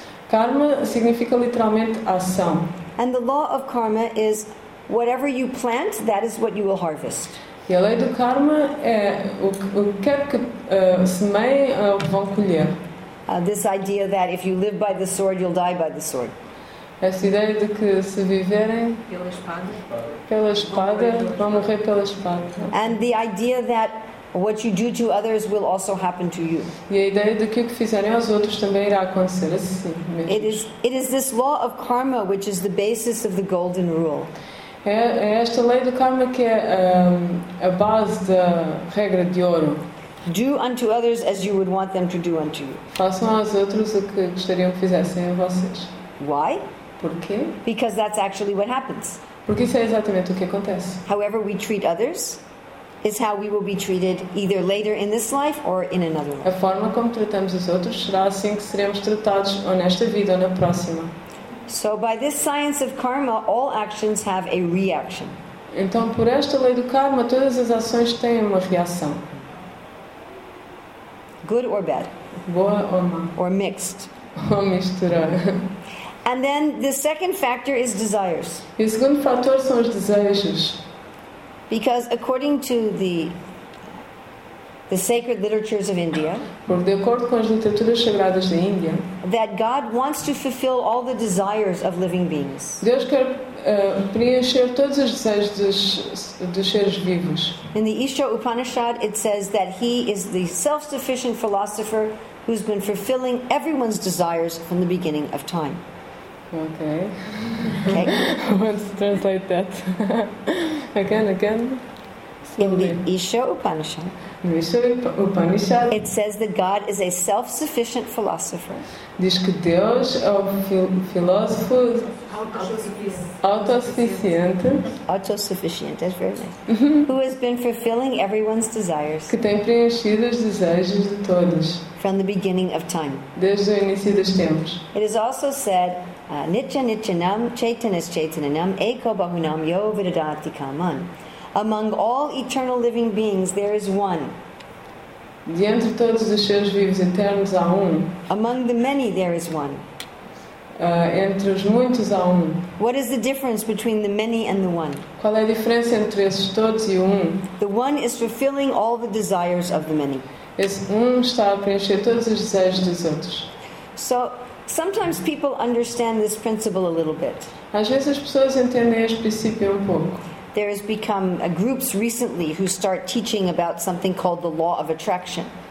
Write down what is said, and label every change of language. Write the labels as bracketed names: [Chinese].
[Portuguese] Karma significa literalmente ação. [English] And the law of karma is whatever you plant, that is what you will harvest. [Portuguese] E a lei do karma é o que quer que semeiem vão colher. [English] This idea that if you live by the sword, you'll die by the sword. [Portuguese] Essa ideia de que se viverem pela espada, vão morrer pela espada. [English] And the idea that what you do to others will also happen to you. [Portuguese] E a ideia de que o que fizerem aos outros também irá acontecer a si mesmo. [English] It is this law of karma which is the basis of the golden rule. [Portuguese] É esta lei do karma que é a base da regra de ouro. [English] Do unto others as you would want them to do unto you. [Portuguese] Façam aos outros o que gostariam que fizessem a vocês. [English] Why? [Portuguese] Porquê? [English] Because that's actually what happens. [Portuguese] Porque isso é exatamente o que acontece. [English] However we treat others is how we will be treated either later in this life or in another life. [Portuguese] A forma como tratamos os outros será assim que seremos tratados ou nesta vida ou na próxima. [English] So by this science of karma, all actions have a reaction. [Portuguese] Então, por esta lei do karma, todas as ações têm uma reação. [English] Good or bad. [Portuguese] Boa ou má. [English] Or mixed. [Portuguese] Ou misturar. [English] And then the second factor is desires. [Portuguese] E o segundo fator são os desejos. [English] Because according to the sacred literatures of India, [Portuguese] porque de acordo com as literaturas sagradas da Índia, [English] that God wants to fulfill all the desires of living beings. [Portuguese] Deus quer preencher todos os desejos dos seres vivos. [English] In the Isha Upanishad, it says that he is the self-sufficient philosopher who's been fulfilling everyone's desires from the beginning of time. Okay. Let's translate that. again. In the Isha Upanishad. It says that God is a self-sufficient philosopher. [Portuguese] Diz que Deus é um filósofo autossuficiente. [English] Autossuficiente, that's very nice. Who has been fulfilling everyone's desires? [Portuguese] Que tem preenchido os desejos de todos. [English] From the beginning of time. [Portuguese] Desde o início dos tempos. [English] It is also said, [Sanskrit] Nitya Nityanam Chaitanas Chaitananam Eko Bahunam Yo Viradati Kaman. [English] Among all eternal living beings, there is one. [Portuguese] De entre todos os seres vivos eternos, há um. [English] Among the many, there is one. [Portuguese] Entre os muitos, há um. [English] What is the difference between the many and the one? [Portuguese] Qual é a diferença entre esses todos e o um? [English] The one is fulfilling all the desires of the many. [Portuguese] Esse um está a preencher todos os desejos dos outros. [English] So, sometimes people understand this principle a little bit. [Portuguese] Às vezes as pessoas entendem este princípio um pouco. [English] There has become groups recently who start teaching about something called the law of attraction.